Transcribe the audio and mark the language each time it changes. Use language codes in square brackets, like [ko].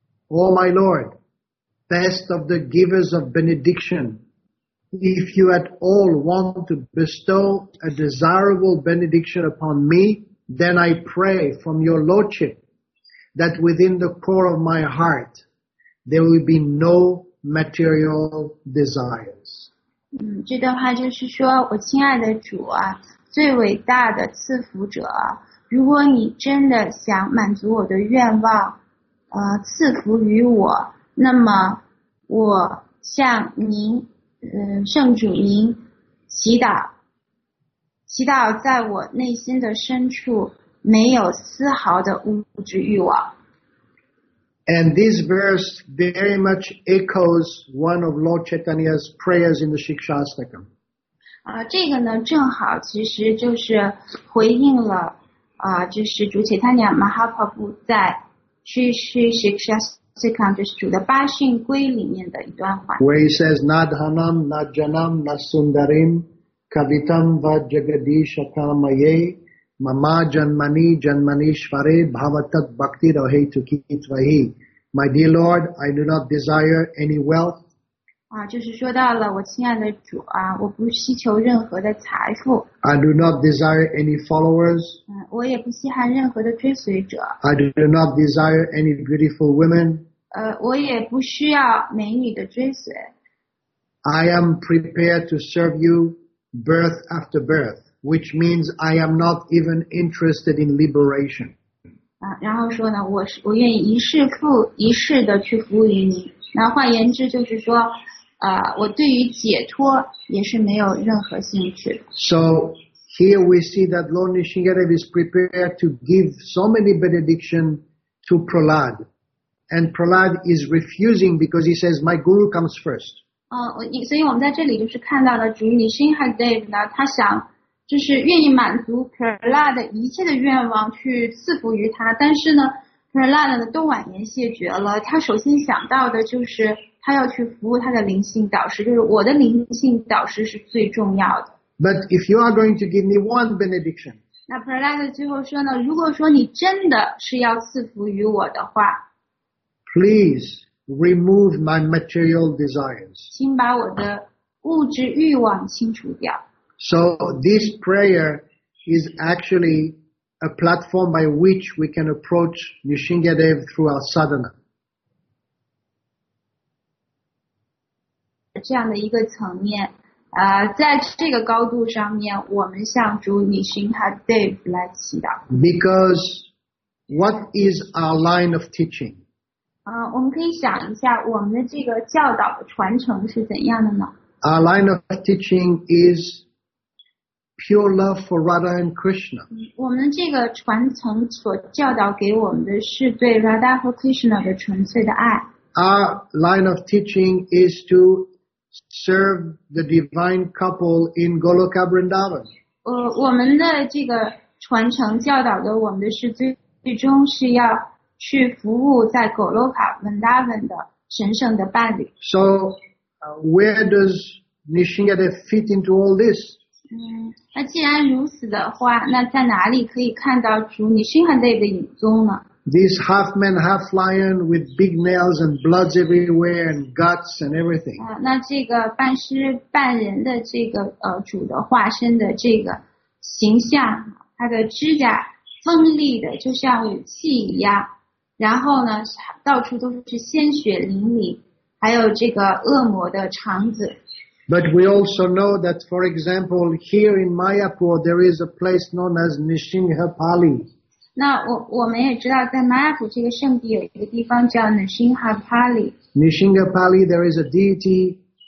[en] O my Lord, best of the givers of benediction,If you at all want to bestow a desirable benediction upon me, then I pray from your Lordship that within the core of my heart there will be no material desires. [zh] 这段话就是说，我亲爱的主啊，最伟大的赐福者，如果你真的想满足我的愿望，赐福于我，那么我向您圣主您祈祷，祈祷在我内心的深处没有丝毫的物质欲望。 [en] And this verse very much echoes one of Lord Chaitanya's prayers in the Shikshastakam. [zh] 这个呢正好其实就是回应了就是主 Chaitanya Mahaprabhu 在去 Shikshastakam. 这个就是主的八训规里面的一段话 [en] Where he says [sa] Nadhanam, Nadjanam, Nasundarim Kavitam Vajjagadishakamaye Mama Janmani Janmanishvare Bhavatat Bhakti Rahe Tukitvahi [en] My dear Lord, I do not desire any wealth [zh] 就是说到了我亲爱的主啊，我不希求任何的财富 [en] I do not desire any followers [zh] 我也不稀罕任何的追随者 [en] I do not desire any beautiful women [zh] We 也不需要美女的追随。 [en] I am prepared to serve you birth after birth, which means I am not even interested in liberation. [zh] 然后说呢，我愿意一世复一世的去服务于你。那换言之就是说，我对于解脱也是没有任何兴趣。 [en] So here we see that Lord Nisshinadev is prepared to give so many benediction to Prahlad. And Prahlad is refusing because he says, my guru comes first. [zh] 所以我们在这里就是看到了主 Nisshinadev 呢，他想就是愿意满足 Prahlad 的一切的愿望去赐福于他，但是呢 Prahlad 呢都婉言谢绝了，他首先想到的就是他要去服务他的灵性导师，就是我的灵性导师是最重要的。 [en] But if you are going to give me one benediction, [zh] 那 Prahlad 最后说呢，如果说你真的是要赐福于我的话， [en] Please remove my material desires. [zh] 请把我的物质欲望清除掉。 [en] So this prayer is actually a platform by which we can approach Nisshinadev through our sadhana. [zh] 这样的一个层面，在这个高度上面，我们向主 Nisshinadev 来祈祷。 [en] Because what is our line of teaching? [zh] 我们可以想一下我们的这个教导的传承是怎样的呢 [en] Our line of teaching is pure love for Radha and Krishna. [zh] 我们这个传承所教导给我们的是对 Radha 和 Krishna 的纯粹的爱。 [en] Our line of teaching is to serve the divine couple in Goloka Vrindavan. [zh] 我们的这个传承教导的我们的是最终是要去服务在果洛卡文达文的神圣的伴侣。 [en] So, where does Nisshinadev fit into all this? [zh] 那既然如此的话，那在哪里可以看到主你身上的一个影踪呢？ [en] These half men, half lion with big nails and bloods everywhere and guts and everything. [zh] 那这个半狮半人的这个主的化身的这个形象，他的指甲锋利的就像武器一样，然后呢到处都是鲜血淋漓，还有这个恶魔的肠子。 [en] But we also know that, for example, here in Mayapur, there is a place known as Nrsimhapali. [zh] 那我们也知道在 Mayapur 这个圣地有一个地方叫 Nrsimhapali. [en] Nrsimhapali, there is a deity.